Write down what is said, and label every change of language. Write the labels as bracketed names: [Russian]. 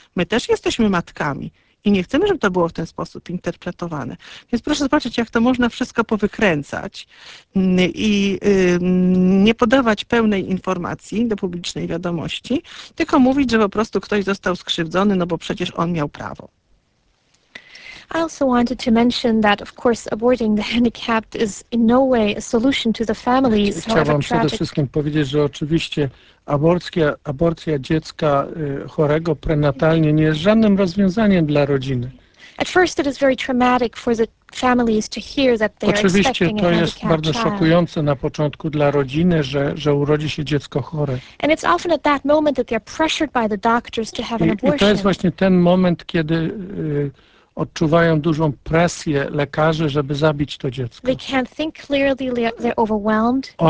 [Polish] My też jesteśmy matkami i nie chcemy, żeby to było w ten sposób interpretowane. Więc proszę zobaczyć, jak to można wszystko powykręcać i nie podawać pełnej informacji do publicznej wiadomości, tylko mówić, że po prostu ktoś został skrzywdzony, no bo przecież on miał prawo. [English] I also wanted to mention that, of course, aborting the handicapped is in no way a solution to the families. [Polish] Chciałbym przede wszystkim powiedzieć, że oczywiście aborcja dziecka chorego prenatalnie nie jest żadnym rozwiązaniem dla rodziny. [English] At first it is very traumatic for the families to hear that they are [Polish] oczywiście to jest bardzo szokujące na początku dla rodziny, że urodzi się dziecko chore. [English] And it's often at that moment that they are pressured by the doctors to have an abortion. [Polish] I to jest właśnie ten moment, kiedy odczuwają dużą presję lekarzy, żeby zabić to dziecko. [English] They can't think clearly, they're overwhelmed.